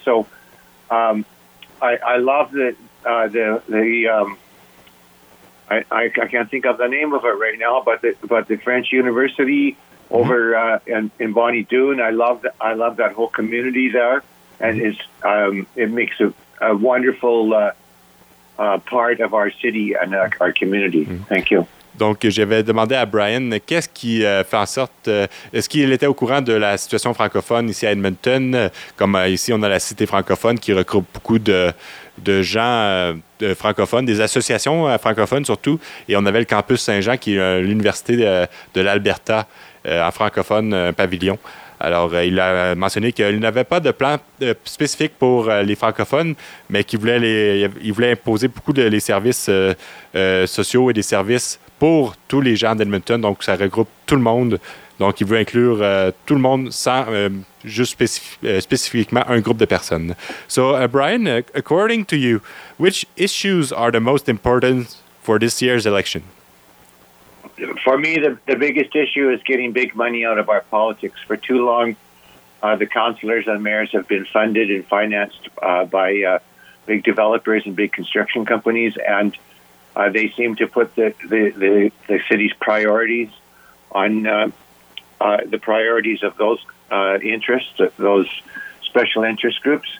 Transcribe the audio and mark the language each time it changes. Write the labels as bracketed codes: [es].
[en] So I love the I can't think of the name of it right now, but the French University over in Bonnie Doon. I love that whole community there, and it makes a wonderful part of our city and our community. Thank you. [fr] Donc, j'avais demandé à Brian qu'est-ce qui fait en sorte... est-ce qu'il était au courant de la situation francophone ici à Edmonton? Comme ici, on a la Cité francophone qui regroupe beaucoup de gens de francophones, des associations francophones surtout. Et on avait le Campus Saint-Jean qui est l'université de l'Alberta en francophone, un pavillon. Alors, il a mentionné qu'il n'avait pas de plan spécifique pour les francophones, mais qu'il voulait il voulait imposer beaucoup de les services sociaux et des services pour tous les gens d'Edmonton. Donc, ça regroupe tout le monde. Donc, il veut inclure tout le monde sans juste spécifiquement un groupe de personnes. [en] So, Brian, according to you, which issues are the most important for this year's election? For me, the biggest issue is getting big money out of our politics. For too long, the councillors and mayors have been funded and financed by big developers and big construction companies, and they seem to put the city's priorities on the priorities of those interests, those special interest groups.